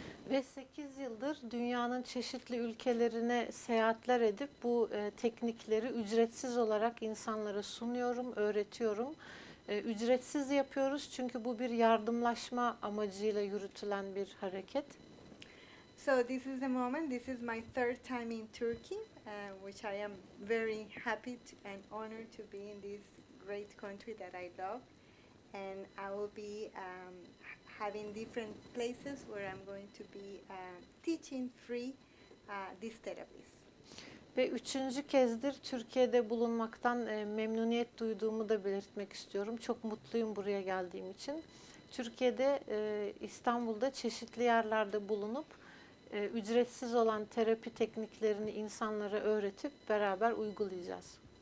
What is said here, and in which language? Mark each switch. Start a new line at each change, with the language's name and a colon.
Turkish: Ve 8 yıldır dünyanın çeşitli ülkelerine seyahatler edip bu teknikleri ücretsiz olarak insanlara sunuyorum, öğretiyorum. Ücretsiz yapıyoruz çünkü bu bir yardımlaşma amacıyla yürütülen bir hareket.
English: So this is the moment. This is my third time in Turkey, which I am very happy and honored to be in this great country that I love. And I will be having different places where I'm going to be teaching free these therapies.
Turkish: Ve üçüncü kezdir Türkiye'de bulunmaktan memnuniyet duyduğumu da belirtmek istiyorum. Çok mutluyum buraya geldiğim için. Türkiye'de, İstanbul'da çeşitli yerlerde bulunup ücretsiz olan terapi tekniklerini insanlara öğretip beraber uygulayacağız.